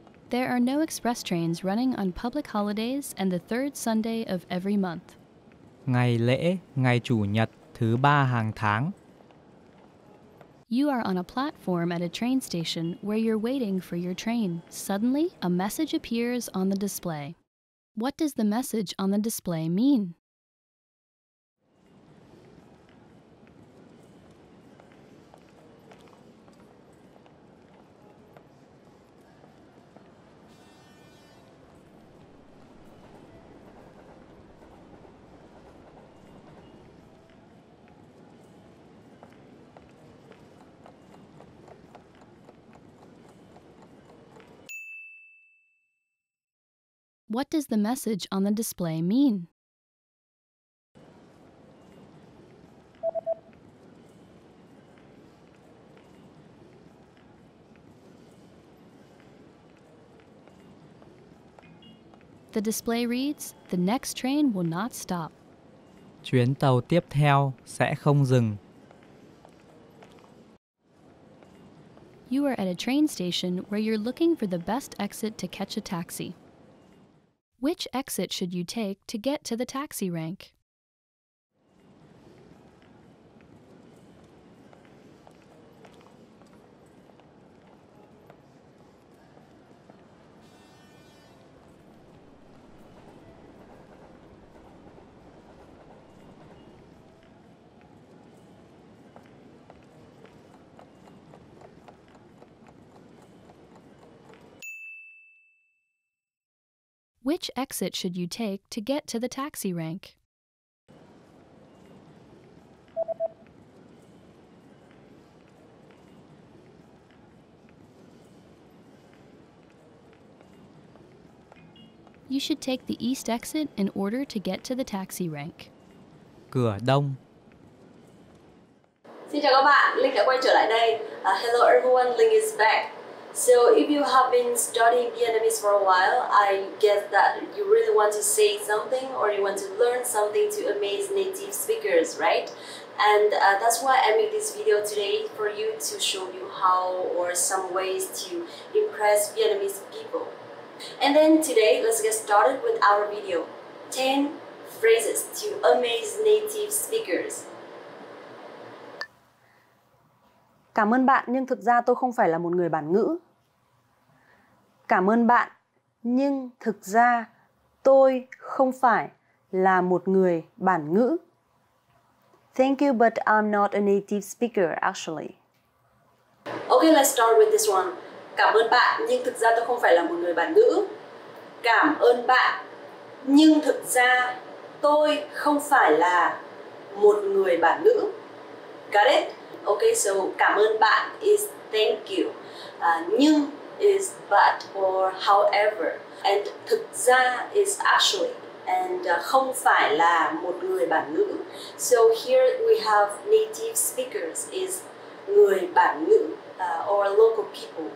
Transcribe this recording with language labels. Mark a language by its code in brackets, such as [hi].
[en] There are no express trains running on public holidays and the third Sunday of every month. [vi] Ngày lễ, ngày chủ nhật, thứ ba hàng tháng. [en] You are on a platform at a train station where you're waiting for your train. Suddenly, a message appears on the display. What does the message on the display mean? What does the message on the display mean? The display reads, "The next train will not stop." [vi] chuyến tàu tiếp theo sẽ không dừng. [en] You are at a train station where you're looking for the best exit to catch a taxi. Which exit should you take to get to the taxi rank? Which exit should you take to get to the taxi rank? You should take the east exit in order to get to the taxi rank. [vi] Cửa đông. Xin chào các bạn, Linh đã quay trở lại đây. [en] Hello everyone, Linh is back. So if you have been studying Vietnamese for a while, I guess that you really want to say something or you want to learn something to amaze native speakers, right? And that's why I made this video today for you to show you how or some ways to impress Vietnamese people. And then today, let's get started with our video. 10 phrases to amaze native speakers. [vi] Cảm ơn bạn, nhưng thực ra tôi không phải là một người bản ngữ. Cảm ơn bạn, nhưng thực ra tôi không phải là một người bản ngữ. [en] Thank you, but I'm not a native speaker, actually. Okay, let's start with this one. [vi] Cảm ơn bạn, nhưng thực ra tôi không phải là một người bản ngữ. Cảm ơn bạn, nhưng thực ra tôi không phải là một người bản ngữ. [en] Got it? Okay, so cảm ơn bạn is thank you. Nhưng is but or however, and thực ra is actually, and [vi] không phải là một người bản ngữ. [en] So here we have native speakers is người bản ngữ or local people.